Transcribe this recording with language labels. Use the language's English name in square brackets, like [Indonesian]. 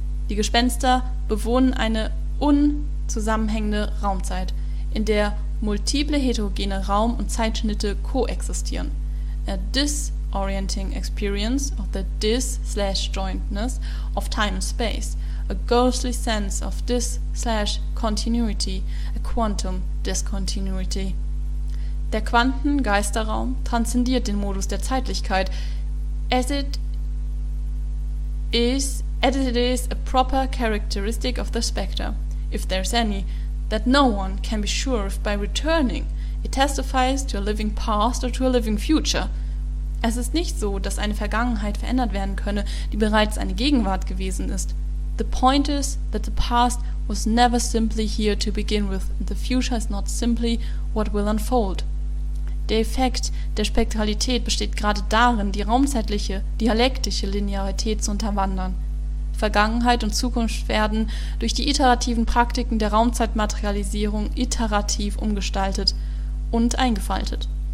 [German] Die Gespenster bewohnen eine unzusammenhängende Raumzeit, in der multiple heterogene Raum- und Zeitschnitte koexistieren. [English] A disorienting experience of the dis/jointness of time and space, a ghostly sense of dis/continuity, a quantum discontinuity. [German] Der Quantengeisterraum transzendiert den Modus der Zeitlichkeit, [English] as it is a proper characteristic of the spectre, if there's any, that no one can be sure of by returning. It testifies to a living past or to a living future. [German] Es ist nicht so, dass eine Vergangenheit verändert werden könne, die bereits eine Gegenwart gewesen ist. [English] The point is that the past was never simply here to begin with, and the future is not simply what will unfold. [German] Der Effekt der Spektralität besteht gerade darin, die raumzeitliche, dialektische Linearität zu unterwandern. Vergangenheit und Zukunft werden durch die iterativen Praktiken der Raumzeitmaterialisierung iterativ umgestaltet und eingefaltet.